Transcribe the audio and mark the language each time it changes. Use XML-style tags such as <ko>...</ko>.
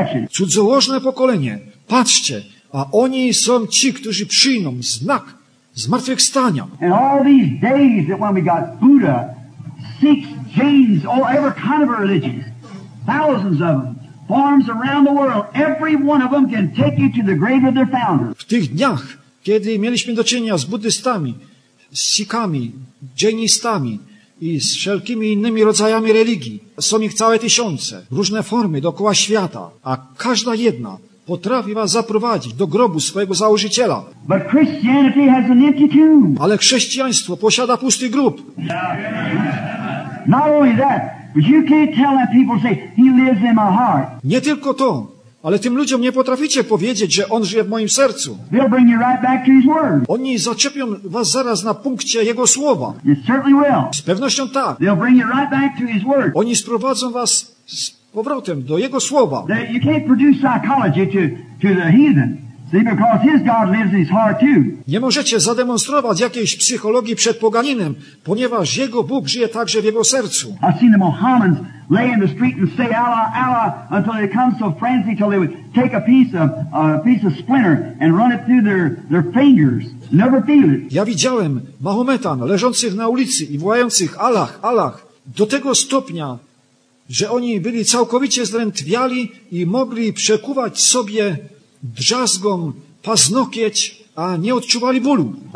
<pl>Cudzołożne pokolenie. Patrzcie, a oni są ci, którzy przyjmą znak zmartwychwstania.</pl> <en>And all these days that when we got Buddha, Sikhs, Jains, all every kind of religions, thousands of them, farms around the world, every one of them can take you to the grave of their founder.</en> <pl>W tych dniach, kiedy mieliśmy do czynienia z buddystami, z Sikhami, Jainistami i z wszelkimi innymi rodzajami religii, są ich całe tysiące, różne formy dookoła świata, a każda jedna potrafi was zaprowadzić do grobu swojego założyciela.</pl> <en>But Christianity has an empty tomb.</en> <pl>Ale chrześcijaństwo posiada pusty grób.</pl> <en>Not only that, but you can't tell that people say he lives in my heart.</en> <pl>Nie tylko to, ale tym ludziom nie potraficie powiedzieć, że on żyje w moim sercu.</pl> <en>They'll bring you right back to his word.</en> <pl>Oni zaczepią was zaraz na punkcie jego słowa.</pl> <en>It certainly will.</en> <pl>Z pewnością tak.</pl> <en>They'll bring you right back to his word.</en> <pl>Oni sprowadzą was z powrotem do jego słowa.</pl> <en>You can't produce psychology to the heathen. See, because his God lives in his heart too.</en> <pl>Nie możecie zademonstrować jakiejś psychologii przed poganinem, ponieważ jego Bóg żyje także w jego sercu.</pl> <en>I've seen the Mohammedans lay in the street and say Allah, Allah until they come so frenzied until they would take a piece of splinter and run it through their fingers. Never feel it.</en> <pl>Ja widziałem Mahometan leżących na ulicy i wołających Allah, Allah do tego stopnia, że oni byli całkowicie zdrętwiali i mogli przekuwać sobie drzazgą paznokieć, a nie odczuwali bólu.</pl>